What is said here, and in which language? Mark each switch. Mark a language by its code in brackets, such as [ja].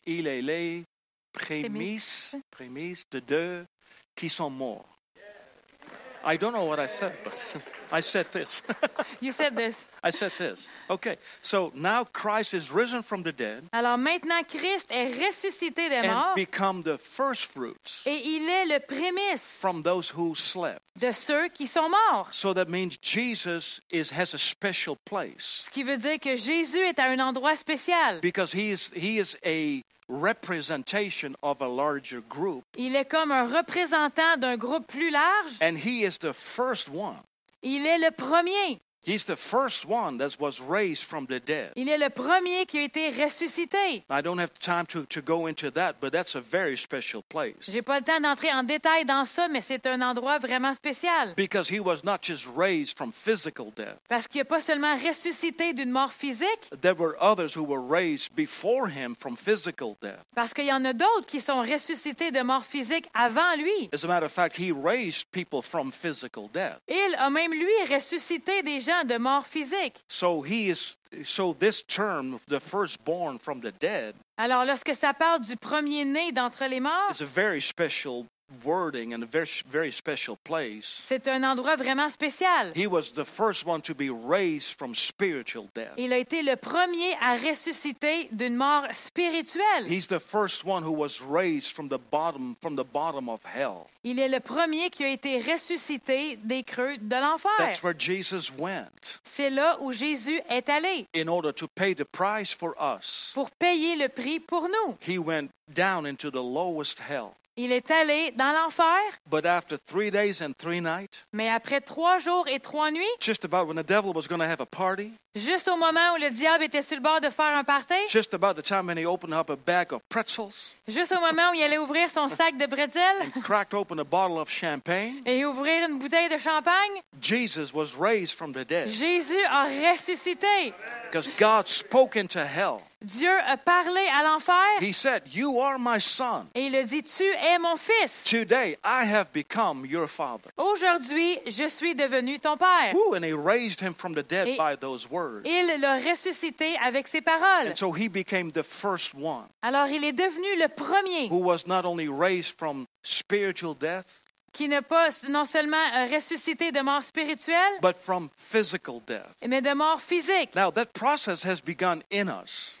[fr] Il est les prémices de deux qui sont morts. [en] I don't know what I said, but I said this. You said this. I said this. Okay. So now Christ is risen from the dead. [fr] Alors maintenant Christ est ressuscité des morts. [en] And become the first fruits. [fr] Et il est le prémisse. [en] From those who slept. [fr] De ceux qui sont morts. [en] So that means Jesus has a special place. [fr] Ce qui veut dire que Jésus est à un endroit spécial. [en] Because he is a representation of a larger group. [fr] Il est comme un représentant d'un groupe plus large. [en] And he is the first one. [fr] Il est le premier. [en] He's the first one that was raised from the dead. [fr] Il est le premier qui a été ressuscité. [en] I don't have time to go into that, but that's a very special place. [fr] J'ai pas le temps d'entrer en détail dans ça, mais c'est un endroit vraiment spécial. [en] Because he was not just raised from physical death. [fr] Parce qu'il n'est pas seulement ressuscité d'une mort physique. [en] There were others who were raised before him from physical death. [fr] Parce qu'il y en a d'autres qui sont ressuscités de mort physique avant lui. [en] As a matter of fact, he raised people from physical death. [fr] Il a même lui ressuscité des de mort physique. [en] So this term, the firstborn from the dead. [fr] Alors lorsque ça parle du premier né d'entre les morts, [en] it's a very special wording and a very, very special place. [fr] C'est un endroit vraiment spécial. [en] He was the first one to be raised from spiritual death. [fr] Il a été le premier à ressusciter d'une mort spirituelle. [en] He's the first one who was raised from the bottom of hell. [fr] Il est le premier qui a été ressuscité des creux de l'enfer. [en] That's where Jesus went. [fr] C'est là où Jésus est allé. [en] In order to pay the price for us. [fr] Pour payer le prix pour nous. [en] He went down into the lowest hell. [fr] Il est allé dans l'enfer. [en] But after 3 days and three nights. [fr] Mais après 3 jours et 3 nuits. [en] Just about when the devil was going to have a party. [fr] Juste au moment où le diable était sur le bord de faire un party. [en] Just about the time when he opened up a bag of pretzels. [fr] Juste au moment où il allait ouvrir son sac de pretzels. [en] And cracked open a bottle of champagne. [fr] Et ouvrir une bouteille de champagne. [en] Jesus was raised from the dead. [fr] Jésus a ressuscité. [en] Because God spoke into hell. [fr] Dieu a parlé à l'enfer. [en] He said, "You are my son." [fr] Et il a dit, tu es mon fils. [en] Today I have become your father. [fr] Aujourd'hui, je suis devenu ton père. [en] Ooh, and he raised him from the dead by those words. [fr] Il l'a ressuscité avec ses paroles. [en] And so he became the first one. [fr] Alors il est devenu le premier. [en] Who was not only raised from spiritual death. [fr] Qui n'est pas non seulement ressuscité de mort spirituelle, [en] but from physical death. [fr] Mais de mort physique. [en] Now that process has begun in us.